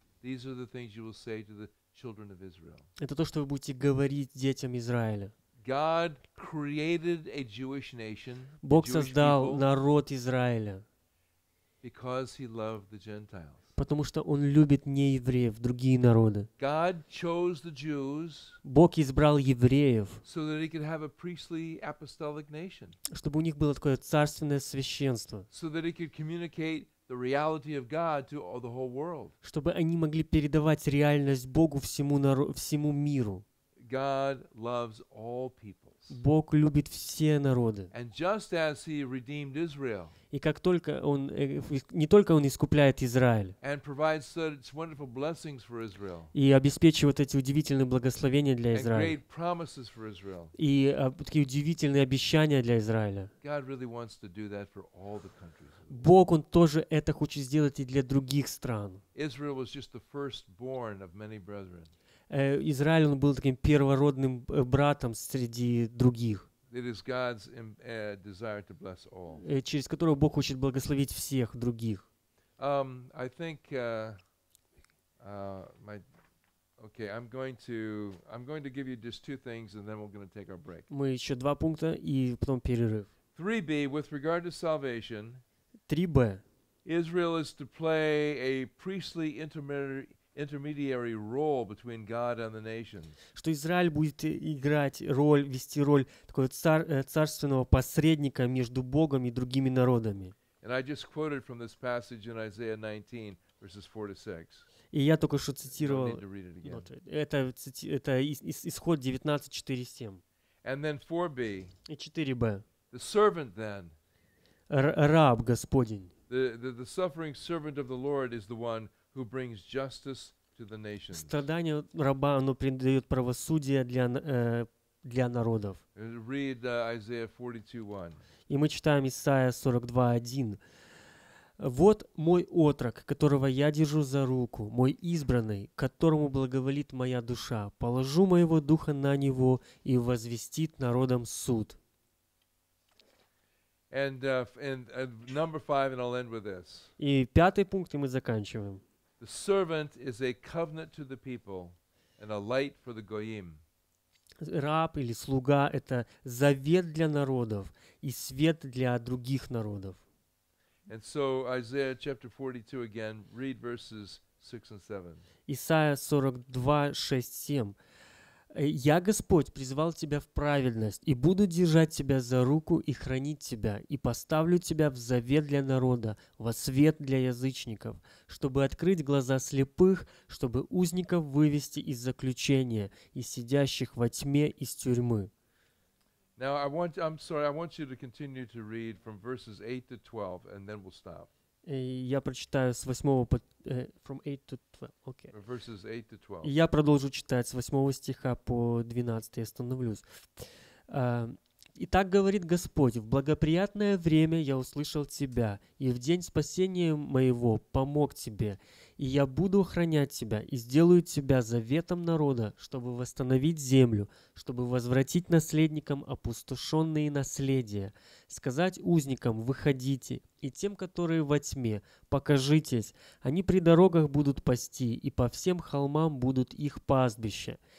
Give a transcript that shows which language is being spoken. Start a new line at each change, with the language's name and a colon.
English: These are the things you will say to the children of Israel.
Russian: Это то, что вы будете говорить детям Израиля.
English: God created a Jewish nation.
Russian: Бог создал народ Израиля.
English: Because he loved the Gentiles.
Russian: Потому что он любит не евреев, другие народы.
English: God chose the Jews,
Russian: Бог избрал евреев,
English: so that he could have a priestly apostolic nation.
Russian: Чтобы у них было такое царственное священство.
English: So that he could communicate the reality of God to all, the whole world.
Russian: Чтобы они могли передавать реальность Богу всему миру.
English: God loves all peoples.
Russian: Бог любит все народы.
English: And just as he redeemed Israel,
Russian: и как только он, не только он искупляет Израиль,
English: and provides such wonderful blessings for Israel,
Russian: и обеспечивает эти удивительные благословения для Израиля,
English: and great promises for Israel,
Russian: и такие удивительные обещания для Израиля,
English: God really wants to do that for all the countries.
Russian: Бог, он тоже это хочет сделать и для других стран.
English: Israel was just the firstborn of many brethren.
Russian: Израиль, он был таким первородным братом среди других.
English: It is God's desire to bless all.
Russian: Через которого Бог хочет благословить всех других.
English: I think I'm going to give you just two things and then we're going to take our break.
Russian: Мы еще два пункта и потом перерыв.
English: 3B with regard to salvation.
Russian: 3B.
English: Israel is to play a priestly intermediary role between God and the nations.
Russian: Что Израиль будет играть роль, вести роль такого царственного посредника между Богом и другими народами.
English: And I just quoted from this passage in Isaiah 19 verses 4 to 6.
Russian: И я только что цитировал.
English: Don't need to read it again.
Russian: Это исход 19:4-7.
English: And then 4b.
Russian: И 4b.
English: The servant then.
Russian: Раб Господень.
English: The suffering servant of the Lord is the one who brings justice to the nations.
Russian: Страдание раба, оно придает правосудие для народов.
English: Read Isaiah 42:1.
Russian: И мы читаем Исайя 42:1. Вот мой отрок, которого я держу за руку, мой избранный, которому благоволит моя душа. Положу моего духа на него и возвестит народам суд.
English: And number 5, and I'll end with this.
Russian: И пятый пункт, и мы заканчиваем.
English: The servant is a covenant to the people and a light for the goyim.
Russian: Раб или слуга — это завет для народов и свет для других народов.
English: And so Isaiah chapter 42 again, read verses 6 and 7.
Russian: Исайя 42, 6, 7. «Я, Господь, призвал тебя в праведность и буду держать тебя за руку и хранить тебя, и поставлю тебя в завет для народа, во свет для язычников». Чтобы открыть глаза слепых, чтобы узников вывести из заключения, из сидящих во тьме из тюрьмы.
English: Now I want you to continue to read from verses 8 to 12, and then we'll stop.
Russian: Я прочитаю с 8 по
English: from 8 to 12. Okay. Verses 8 to 12.
Russian: Я продолжу читать с 8 стиха по 12 и остановлюсь. Итак, говорит Господь, в благоприятное время я услышал тебя, и в день спасения моего помог тебе, и я буду охранять тебя, и сделаю тебя заветом народа, чтобы восстановить землю, чтобы возвратить наследникам опустошенные наследия, сказать узникам «выходите», и тем, которые во тьме «покажитесь», они при дорогах будут пасти, и по всем холмам будут их пастбища.